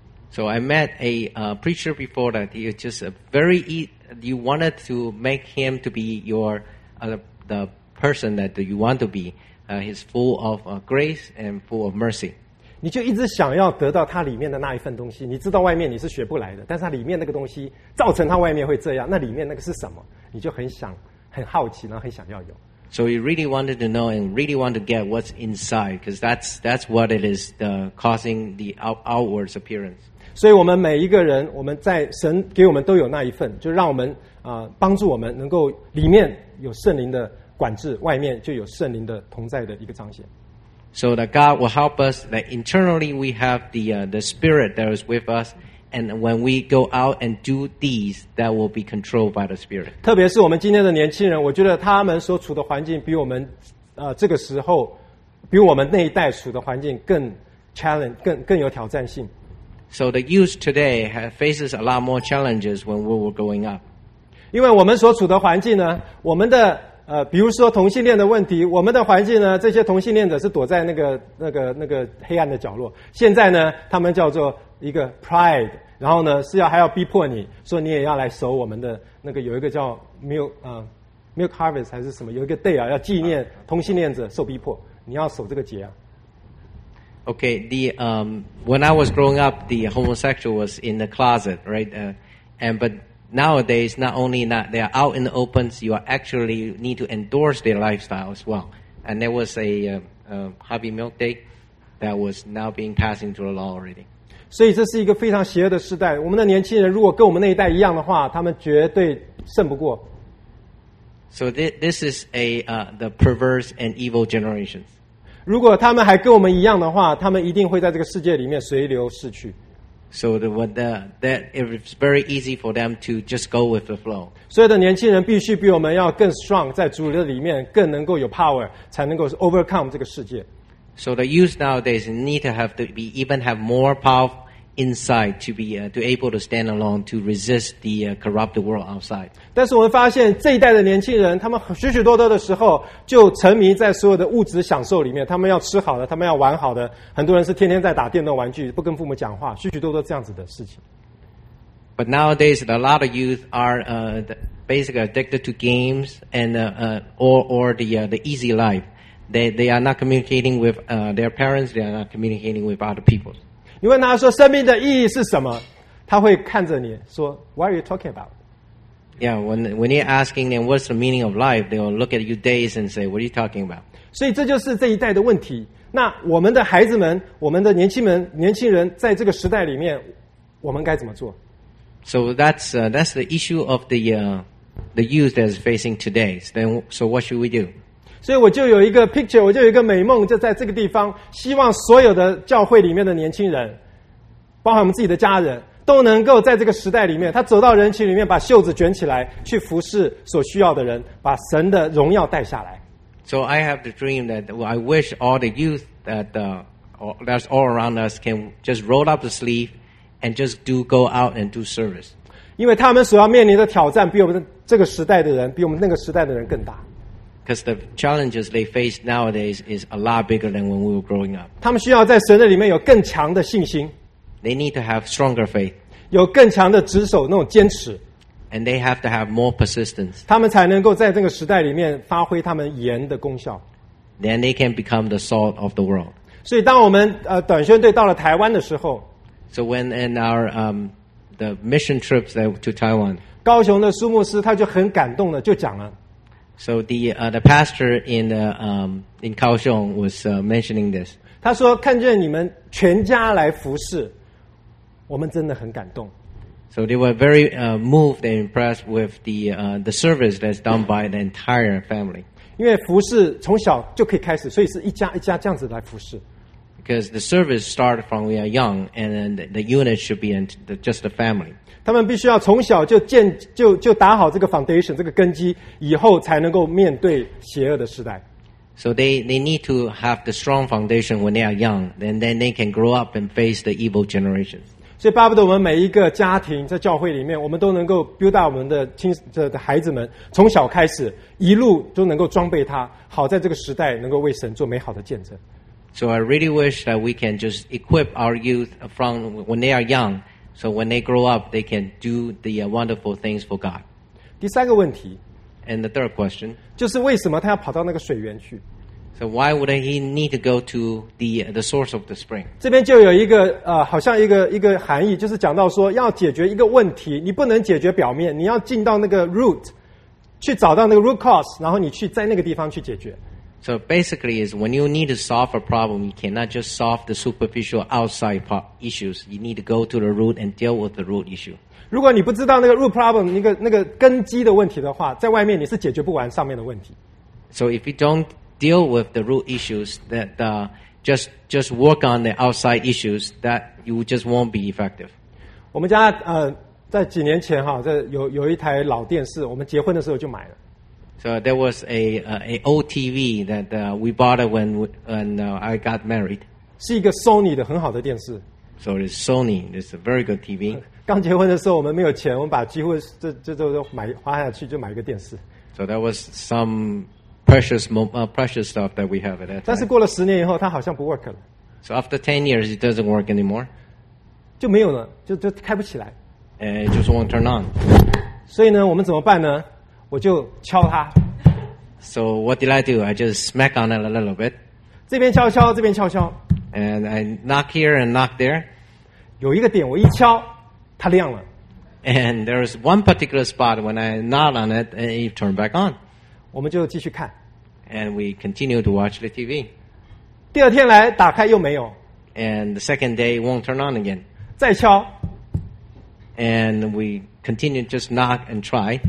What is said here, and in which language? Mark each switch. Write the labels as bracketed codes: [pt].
[en] So I met a preacher before that. He was just very. You wanted to make him to be your the person that you want to be. He's full of grace and full of mercy. [zh] 你就一直想要得到他里面的那一份东西。你知道外面你是学不来的，但是他里面那个东西造成他外面会这样。那里面那个是什么？你就很想、很好奇，然后很想要有。 [en] So you really wanted to know and really wanted to get what's inside, because that's what it is the causing the outward appearance. [zh] 所以我们每一个人，我们在神给我们都有那一份，就让我们帮助我们能够里面有圣灵的管制，外面就有圣灵的同在的一个彰显。 [en] So that God will help us that internally we have the Spirit that is with us, and when we go out and do these, that will be controlled by the Spirit. [zh] 特别是我们今天的年轻人，我觉得他们所处的环境比我们这个时候，比我们那一代处的环境更 [en] challenge, [zh] 更有挑战性。 [en] So the youth today faces a lot more challenges when we were growing up. [zh] 因为我们所处的环境呢，我们的比如说同性恋的问题，我们的环境呢，这些同性恋者是躲在那个黑暗的角落。现在呢，他们叫做一个 [en] pride， [zh] 然后呢是要还要逼迫你说你也要来守我们的那个有一个叫 [en] milk harvest [zh] 还是什么，有一个 [en] day [zh] 啊，要纪念同性恋者受逼迫，你要守这个节啊。 [en] Okay, the when I was growing up, the homosexual was in the closet, right? But nowadays, not only that, they are out in the open, you actually need to endorse their lifestyle as well. And there was a Harvey Milk Day that was now being passed into the law already. [zh] 所以这是一个非常邪恶的时代。我们的年轻人如果跟我们那一代一样的话，他们绝对胜不过。 [en] So this is a the perverse and evil generation. [zh] 如果他们还跟我们一样的话，他们一定会在这个世界里面随流逝去。 [en] So that it's very easy for them to just go with the flow. [zh] 所有的年轻人必须比我们要更 [en] strong， [zh] 在主的里面更能够有 [en] power， [zh] 才能够 [en] overcome [zh] 这个世界。 [en] So the youth nowadays need to have to be even have more power inside to be to able to stand alone to resist the corrupt world outside. [zh] 但是我们发现这一代的年轻人，他们许许多多的时候就沉迷在所有的物质享受里面，他们要吃好的，他们要玩好的，很多人是天天在打电动玩具，不跟父母讲话，许许多多这样子的事情。 [en] But nowadays, a lot of youth are basically addicted to games and the easy life. They are not communicating with their parents. They are not communicating with other people. [zh] 你问他说生命的意义是什么，他会看着你说 [en] "What are you talking about?" Yeah, when you're asking them what's the meaning of life, they will look at you dazed and say, "What are you talking about?" [zh] 所以这就是这一代的问题。那我们的孩子们，我们的年轻人，在这个时代里面，我们该怎么做 [en] ？So that's the issue of the youth that is facing today. So what should we do? [zh] 所以我就有一个 [en] picture， [zh] 我就有一个美梦，就在这个地方，希望所有的教会里面的年轻人，包含我们自己的家人，都能够在这个时代里面，他走到人群里面，把袖子卷起来，去服侍所需要的人，把神的荣耀带下来。 [en] So I have the dream that I wish all the youth that's all around us can just roll up the sleeve and just do go out and do service. [zh] 因为他们所要面临的挑战比我们这个时代的人，比我们那个时代的人更大。 [en] Because the challenges they face nowadays is a lot bigger than when we were growing up. [zh] 他们需要在神的里面有更强的信心。 [en] They need to have stronger faith. [zh] 有更强的执守那种坚持。 [en] And they have to have more persistence. [zh] 他们才能够在这个时代里面发挥他们盐的功效。 [en] Then they can become the salt of the world. [zh] 所以当我们短宣队到了台湾的时候 [en] ，So when in our the mission trips to Taiwan, [zh] 高雄的苏牧师他就很感动的就讲了。 [en] So the pastor in Kaohsiung was mentioning this. [zh] 他说看见你们全家来服侍，我们真的很感动。 [en] So they were very moved and impressed with the service that's done by the entire family. [zh] 因为服侍从小就可以开始，所以是一家一家这样子来服侍。 [en] Because the service started from we are young, and then the unit should be in just the family. [zh] 他们必须要从小就打好这个 [en] foundation [zh] 这个根基，以后才能够面对邪恶的时代。 [en] So they need to have the strong foundation when they are young, and then they can grow up and face the evil generations. [zh] 所以巴不得我们每一个家庭在教会里面，我们都能够 [en] build up [zh] 我们的亲的孩子们，从小开始一路都能够装备他，好在这个时代能够为神做美好的见证。 [en] So I really wish that we can just equip our youth from when they are young, so when they grow up, they can do the wonderful things for God. [zh] 第三个问题 [en] ，and the third question， [zh] 就是为什么他要跑到那个水源去 [en] ？So why would he need to go to the source of the spring？ [zh] 这边就有一个好像一个含义，就是讲到说要解决一个问题，你不能解决表面，你要进到那个 [en] root， [zh] 去找到那个 [en] root cause， [zh] 然后你去在那个地方去解决。 [en] So basically is when you need to solve a problem, you cannot just solve the superficial outside issues. You need to go to the root and deal with the root issue. [zh] 如果你不知道那个 [en] root problem, [zh] 那个根基的问题的话，在外面你是解决不完上面的问题。 [en] So if you don't deal with the root issues, that just work on the outside issues, that you just won't be effective. [zh] 我们家在几年前哈，在有一台老电视，我们结婚的时候就买了。 [en] So there was a old TV that we bought when I got married. [zh] 是一个 Sony 的很好的电视。 [en] So it's Sony. It's a very good TV. [zh] 刚结婚的时候我们没有钱，我们把几乎这买花下去就买一个电视。 [en] So that was some precious stuff that we have at that time. [zh] 但是过了十年以后，它好像不 [en] work [zh] 了。 [en] So after 10 years, it doesn't work anymore. [zh] 就没有了，就开不起来。 [en] And it just won't turn on. [zh] 所以呢，我们怎么办呢？我就敲他。 [en] So what did I do? I just smack on it a little bit. [zh] 这边敲敲，这边敲敲。 [en] And I knock here and knock there. [zh] 有一个点，我一敲，它亮了。 [en] And there is one particular spot when I knock on it, and it turned back on. [zh] 我们就继续看。 [en] And we continue to watch the TV. [zh] 第二天来打开又没有。 [en] And the second day it won't turn on again. [zh] 再敲。 [en] And we continue just knock and try.